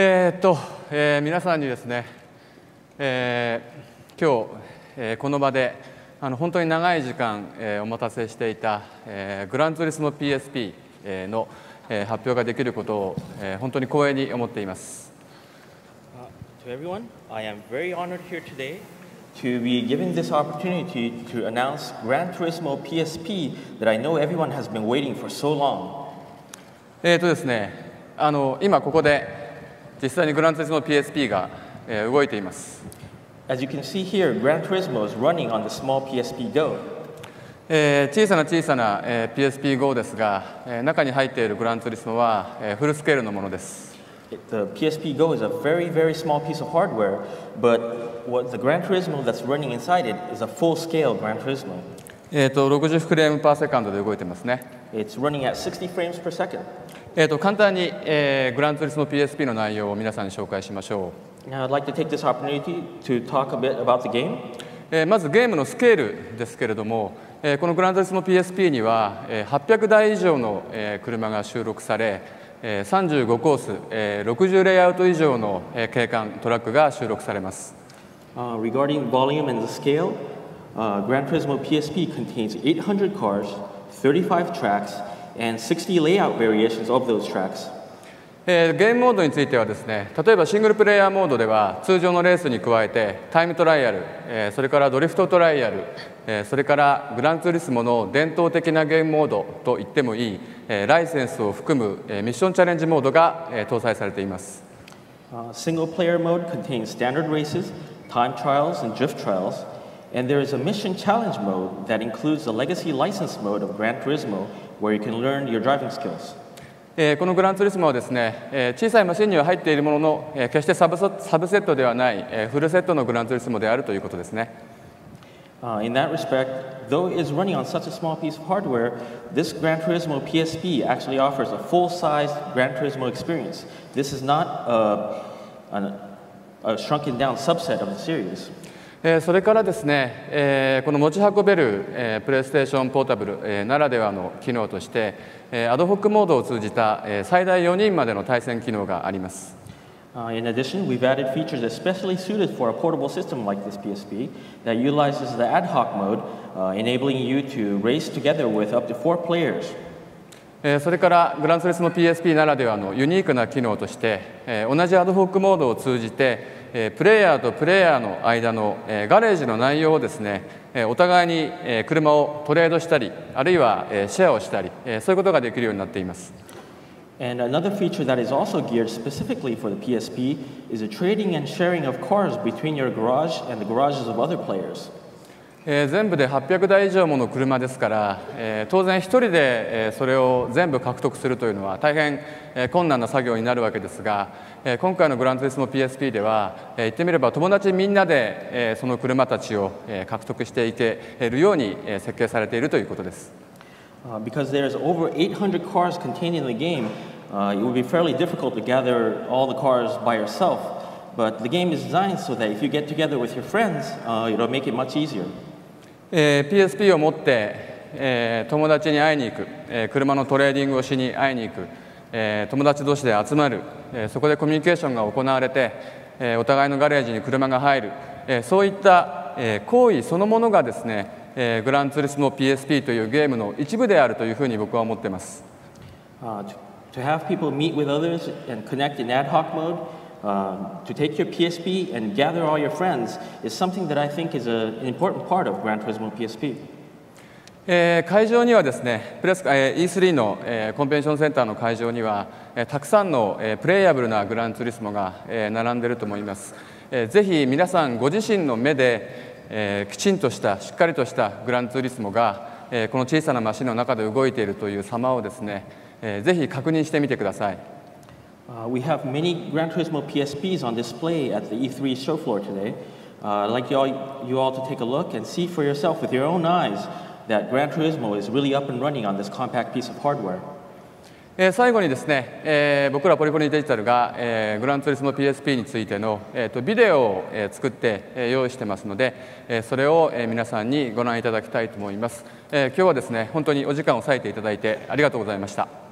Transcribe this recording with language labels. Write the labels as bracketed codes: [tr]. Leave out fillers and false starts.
[ja] 皆さんにですね、今日、この場で本当に長い時間、お待たせしていた、グランツーリスモ PSP、の、発表ができることを、本当に光栄に思っています。 [en] To everyone, I am very honored here today to be given this opportunity to announce Gran Turismo PSP that I know everyone has been waiting for so long. [ja] ですね、今ここで実際にグランツーリスモ PSP が、動いています。 [en] As you can see here, Gran Turismo is running on the small PSP Go. [ja] 小さな、PSP Go ですが、中に入っているグランツーリスモは、フルスケールのものです。 [en] The PSP Go is a very, very small piece of hardware, but what the Gran Turismo that's running inside it is a full-scale Gran Turismo. [ja] 60フレームパーセカンドで動いてますね。 [en] It's running at 60 frames per second. [ja] 簡単に、グランツーリスモ PSP の内容を皆さんに紹介しましょう。 [en] Now I'd like to take this opportunity to talk a bit about the game. [ja] まずゲームのスケールですけれども、このグランツーリスモ PSP には、800台以上の、車が収録され、35コース、60レイアウト以上の、景観トラックが収録されます。 [en] Regarding volume and the scale, Gran Turismo PSP contains 800 cars, 35 tracks, and 60 layout variations of those tracks. [ja] ゲームモードについてはですね、例えばシングルプレイヤーモードでは通常のレースに加えてタイムトライアル、それからドリフトトライアル、それからグランツーリスモの伝統的なゲームモードと言ってもいい、ライセンスを含む、ミッションチャレンジモードが、搭載されています。 [en] Single player mode contains standard races, time trials, and drift trials, and there is a mission challenge mode that includes the legacy license mode of Gran Turismo, where you can learn your driving skills. [ja] このグランツーリスモはですね、小さいマシンには入っているものの、決してサブセットではない、フルセットのグランツーリスモであるということですね。 [en] In that respect, though it is running on such a small piece of hardware, this Gran Turismo PSP actually offers a full-sized Gran Turismo experience. This is not a shrunken down subset of the series. [ja] それからですね、この持ち運べる、プレイステーションポータブル、ならではの機能として、アドホックモードを通じた、最大4人までの対戦機能があります。 [en] In addition, we've added features especially suited for a portable system like this PSP that utilizes the ad hoc mode, enabling you to race together with up to four players. [ja] それからグランツーリスモ PSP ならではのユニークな機能として、同じアドホックモードを通じて、プレイヤーとプレイヤーの間の、ガレージの内容をですね、お互いに、車をトレードしたりあるいは、シェアをしたり、そういうことができるようになっています。 [en] And another feature that is also geared specifically for the PSP is the trading and sharing of cars between your garage and the garages of other players. [ja] 全部で800台以上もの車ですから、当然一人で、それを全部獲得するというのは大変、困難な作業になるわけですが、今回のグランツーリスモ PSP では、言ってみれば友達みんなで、その車たちを、獲得していけるように、設計されているということです。 [en] Because there is over 800 cars contained in the game, it would be fairly difficult to gather all the cars by yourself. But the game is designed so that if you get together with your friends, it'll make it much easier. [ja] PSP を持って、友達に会いに行く、車のトレーディングをしに会いに行く、友達同士で集まる、そこでコミュニケーションが行われて、お互いのガレージに車が入る、そういった、行為そのものがですね、グランツーリスモ PSP というゲームの一部であるというふうに僕は思ってます。 [en] To have people meet with others and connect in ad hoc mode,to take your PSP and gather all your friends is something that I think is an important part of Gran Turismo PSP. [ja] 会場にはですね、E3 の、コンベンションセンターの会場には、たくさんの、プレイヤブルなグランツーリスモが、並んでいると思います。ぜひ皆さんご自身の目で、きちんとした、しっかりとしたグランツーリスモが、この小さなマシンの中で動いているという様をですね、ぜひ確認してみてください。 [en] We have many Gran Turismo PSPs on display at the E3 show floor today. I'd like you all to take a look and see for yourself with your own eyes that Gran Turismo is really up and running on this compact piece of hardware. [ja] 最後にですね、僕らポリフォニーデジタルが、Gran Turismo PSP についての、ビデオを、作って、用意してますので、それを、皆さんにご覧いただきたいと思います。今日はですね、本当にお時間を割いていただいてありがとうございました。